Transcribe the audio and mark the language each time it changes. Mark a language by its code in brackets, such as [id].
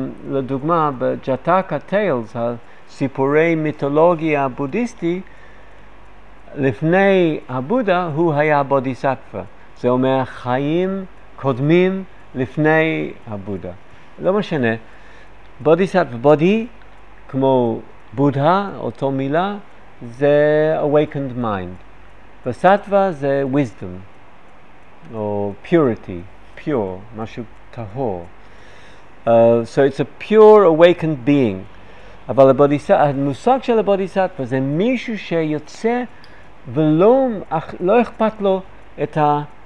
[he] לדוגמה, בג'טאקה טיילס, הסיפורי מיתולוגיה הבודיסטי, לפני הבודה הוא היה בודיסטווה, זה אומר חיים קודמים לפני הבודה. לא משנה, בודיסטווה, בודי, כמו בודה, אותו מילה, זה [en] awakened mind. [he] וסטווה זה wisdom, או purity, pure, משהו טהור. [en] So it's a pure awakened being. [he] אבל המושג של הבודיסטווה זה מישהו שיוצא ולא לא אכפת לו את ה...